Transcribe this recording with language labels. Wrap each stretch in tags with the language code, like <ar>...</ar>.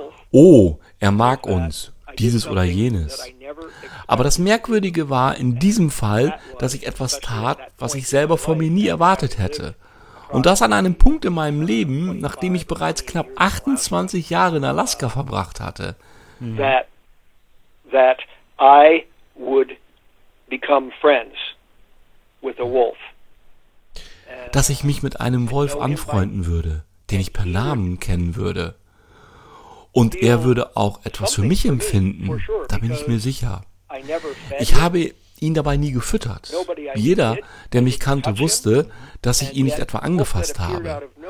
<de>Oh, er mag uns, dieses oder jenes. Aber das Merkwürdige war in diesem Fall, dass ich etwas tat, was ich selber von mir nie erwartet hätte. Und das an einem Punkt in meinem Leben, nachdem ich bereits knapp 28 Jahre in Alaska verbracht hatte.</de> <en>That I would become friends with a wolf.</en> <de>Dass ich mich mit einem Wolf anfreunden würde, den ich per Namen kennen würde. Und er würde auch etwas für mich empfinden, da bin ich mir sicher. Ich habe ihn dabei nie gefüttert. Jeder, der mich kannte, wusste, dass ich ihn nicht etwa angefasst habe.</de>